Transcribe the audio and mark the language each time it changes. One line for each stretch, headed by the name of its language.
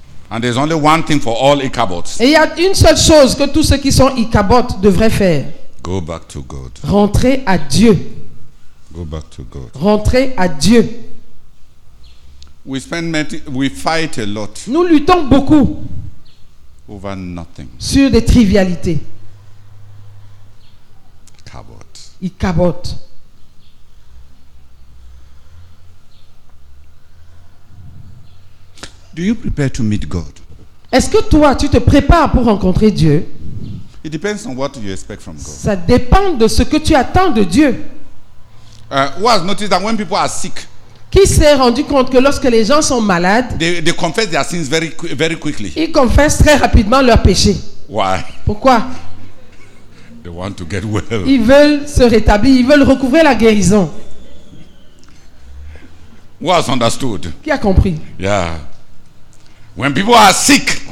English: And there's only one thing for all Ichabods.
French: Et il y a une seule chose que tous ceux qui sont Ichabods devraient faire.
English: Go back to God.
French: Rentrer à Dieu.
English: Go back to God.
French: Rentrer à Dieu.
English: We fight a lot.
French: Nous luttons beaucoup.
English: Over nothing.
French: Sur des trivialités.
English: Ichabod. Do you prepare to meet God?
French: Est-ce que toi tu te prépares pour rencontrer Dieu?
English: It depends on what you expect from God.
French: Ça dépend de ce que tu attends de Dieu.
English: Who has noticed that when people are sick?
French: Qui s'est rendu compte que lorsque les gens sont malades,
English: they confess their sins very, very quickly.
French: Ils confessent très rapidement leurs péchés.
English: Why?
French: Pourquoi?
English: They want to get well.
French: Ils veulent se rétablir, ils veulent recouvrir la guérison.
English: Who has understood?
French: Qui a compris?
English: Yeah. When people are sick,